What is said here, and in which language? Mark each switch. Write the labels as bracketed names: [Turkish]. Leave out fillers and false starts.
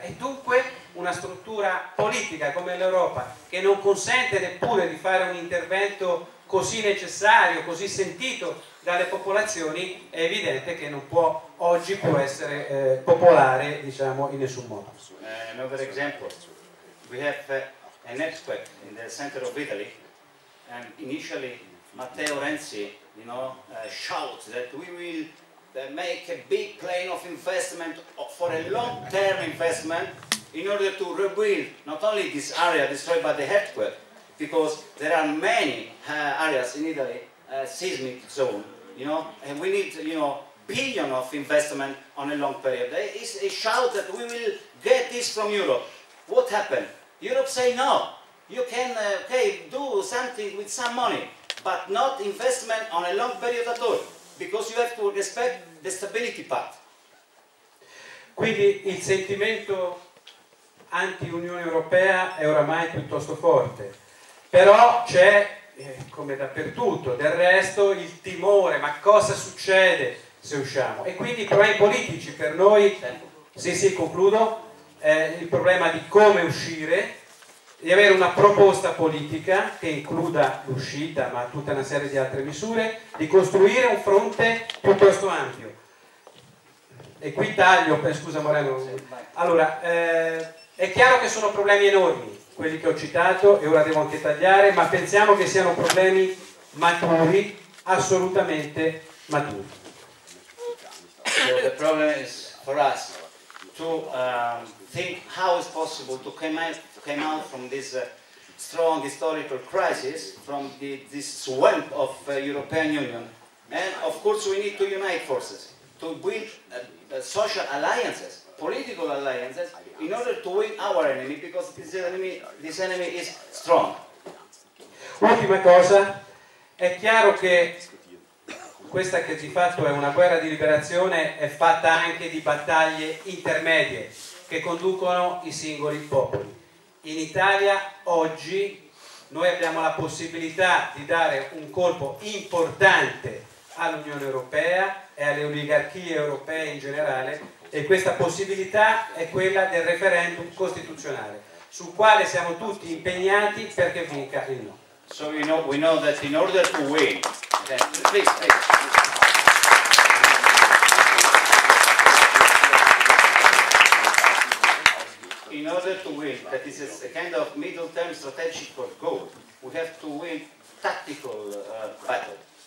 [Italian] E dunque una struttura politica come l'Europa, che non consente neppure di fare un intervento così necessario, così sentito dalle popolazioni, è evidente che non può oggi può essere popolare, diciamo, in nessun modo. [English] Another example. We have an earthquake in the center of Italy, and initially Matteo Renzi, you know, shouts that we will make a big plan of investment for a long-term investment in order to rebuild not only this area destroyed by the earthquake, because there are many areas in Italy, seismic zone, you know, and we need, you know, billion of investment on a long period. There is a shout that we will get this from Europe. What happened? Europe say no. You can okay, do something with some money, but not investment on a long period at all, because you have to respect the stability part. [Italian] Quindi il sentimento anti-Unione Europea è oramai piuttosto forte, però c'è, come dappertutto, del resto il timore, ma cosa succede se usciamo? E quindi i problemi politici per noi, sì, concludo, è il problema di come uscire, di avere una proposta politica che includa l'uscita, ma tutta una serie di altre misure, di costruire un fronte piuttosto ampio. E qui taglio, scusa Moreno. Allora, è chiaro che sono problemi enormi quelli che ho citato e ora devo anche tagliare, ma pensiamo che siano problemi maturi, assolutamente maturi. [English] So the problem is for us to think how is possible to come out from this strong historical crisis, from this swamp of European Union, and of course we need to unite forces to build social alliances, political alliances, in order to win our enemy, because this enemy is strong. [Italian] Ultima cosa, è chiaro che questa che di fatto è una guerra di liberazione è fatta anche di battaglie intermedie che conducono i singoli popoli. In Italia oggi noi abbiamo la possibilità di dare un colpo importante all'Unione Europea e alle oligarchie europee in generale, e questa possibilità è quella del referendum costituzionale sul quale siamo tutti impegnati perché vinca il no. [English] So we know that in order to win, please. In order to win, that is a kind of middle-term strategic goal, we have to win tactical battle.